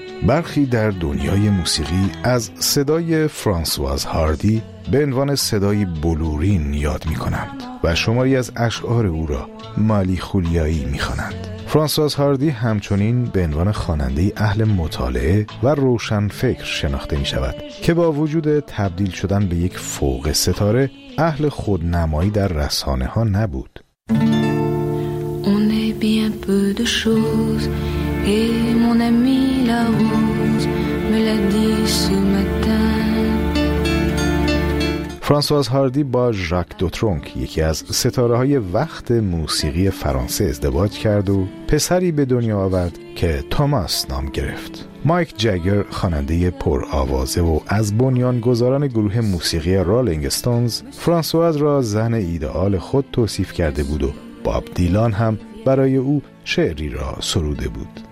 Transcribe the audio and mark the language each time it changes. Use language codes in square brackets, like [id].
[fa] برخی در دنیای موسیقی از صدای فرانسواز هاردی به عنوان صدای بلورین یاد می کنند و شماری از اشعار او را مالی خولیایی می خوانند. فرانسواز هاردی همچنین به عنوان خواننده اهل مطالعه و روشن فکر شناخته می شود که با وجود تبدیل شدن به یک فوق ستاره اهل خودنمایی در رسانه ها نبود. [fr] On est bien peu de choses et mon ami la rose me l'a dit ce matin. [fa] فرانسواز هاردی با ژاک دوترونک، یکی از ستاره‌های وقت موسیقی فرانسه، ازدواج کرد و پسری به دنیا آورد که توماس نام گرفت. مایک جگر، خواننده پرآوازه و از بنیانگذاران گروه موسیقی رولینگ استونز، فرانسواز را زن ایدئال خود توصیف کرده بود و باب دیلان هم برای او شعری را سروده بود.